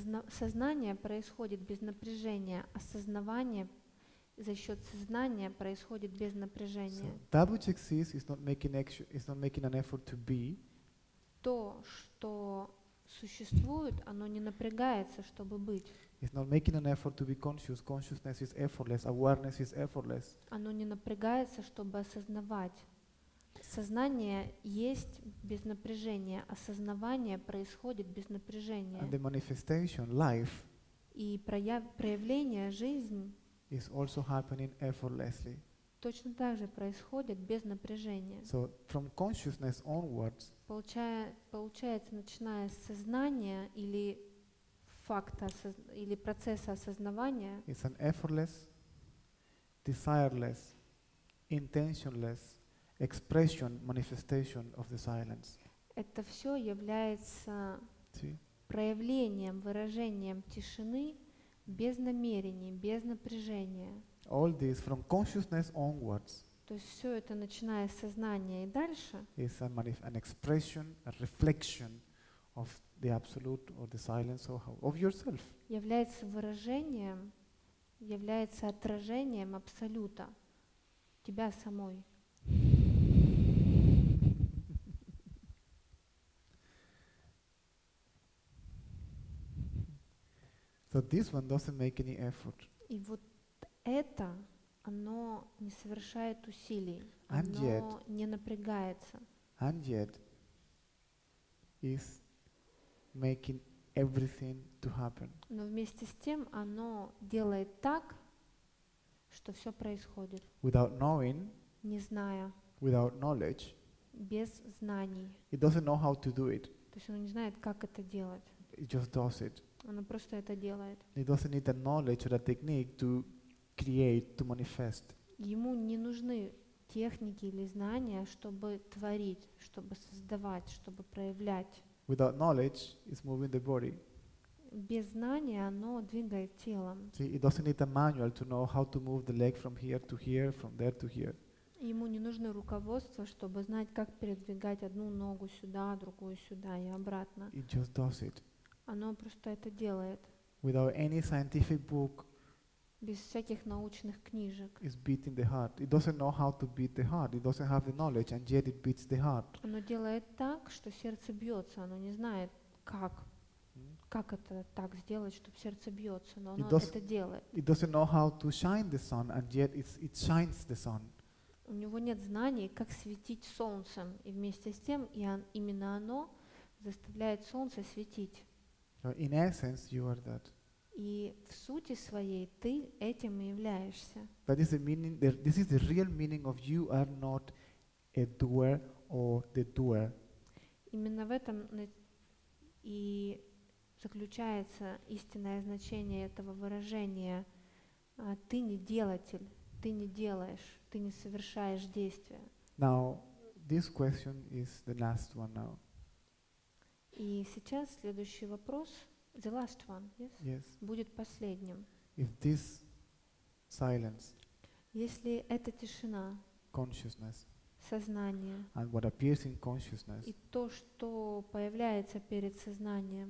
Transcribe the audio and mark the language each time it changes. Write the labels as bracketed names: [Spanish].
[Russian] Сознание происходит без напряжения. Осознавание за счет сознания происходит без напряжения. [English] So, that which exists is not making an effort to be. [Russian] То, что существует, оно не напрягается, чтобы быть. [English] It's not making an effort to be conscious. Consciousness is effortless. Awareness is effortless. [Russian] Оно не напрягается, чтобы осознавать. Сознание есть без напряжения. Осознавание происходит без напряжения. [English] And the manifestation, life, [Russian] и проявление, жизнь, [English] is also happening effortlessly. [Russian] Точно так же происходит без напряжения. [English] So, from consciousness onwards, [Russian] получается, начиная с сознания или факта или процесса осознавания. [English] It's an effortless, desireless, intentionless expression, manifestation of the silence. [Russian] Это все является проявлением, выражением тишины без намерений, без напряжения. [English] All this from consciousness onwards. [Russian] То есть все это, начиная с сознания и дальше. [English] Is an expression, a reflection of the absolute or the silence of yourself. [Russian] Является выражением, является отражением абсолюта тебя самой. [English] So this one doesn't make any effort. [Russian] И вот это, оно не совершает усилий, [English] and [Russian] оно [English] yet, [Russian] не напрягается. [English] And yet is making everything to happen. [Russian] Но вместе с тем оно делает так, что все происходит. [English] Without knowing, [Russian] не зная. [English] Without knowledge, [Russian] без знаний. [English] It doesn't know how to do it. [Russian] То есть оно не знает, как это делать. [English] It just does it. [Russian] Оно просто это делает. [English] It doesn't need the knowledge or the technique to create, to manifest. [Russian] Ему не нужны техники или знания, чтобы творить, чтобы создавать, чтобы проявлять. [English] Without knowledge, it's moving the body. [Russian] Без знания оно двигает телом. [English] See, it doesn't need a manual to know how to move the leg from here to here, from there to here. [Russian] Ему не нужно руководство, чтобы знать, как передвигать одну ногу сюда, другую сюда и обратно. [English] It just does it. [Russian] Оно просто это делает. [English] Without any scientific book. [Russian] Без всяких научных книжек. [English] It's beating the heart. It doesn't know how to beat the heart. It doesn't have the knowledge, and yet it beats the heart. [Russian] Оно делает так, что сердце бьется. Оно не знает, как. Mm-hmm. Как это так сделать, чтобы сердце бьется. Но оно это делает. [English] It doesn't know how to shine the sun, and yet it shines the sun. [Russian] У него нет знаний, как светить солнцем. И вместе с тем, именно оно заставляет солнце светить. [English] So in essence, you are that. [Russian] И в сути своей ты этим и являешься. [English] That is the meaning. This is the real meaning of you are not a doer or the doer. [Russian] Именно в этом и заключается истинное значение этого выражения. Ты не делатель. Ты не делаешь. Ты не совершаешь действия. [English] Now, this question is the last one now. [Russian] И сейчас следующий вопрос. [English] The last one, yes? Yes. [Russian] Будет последним. [English] If this silence, [Russian] Если это тишина, [English] consciousness, [Russian] сознание, [English] and what appears in consciousness, [Russian] и то, что появляется перед сознанием,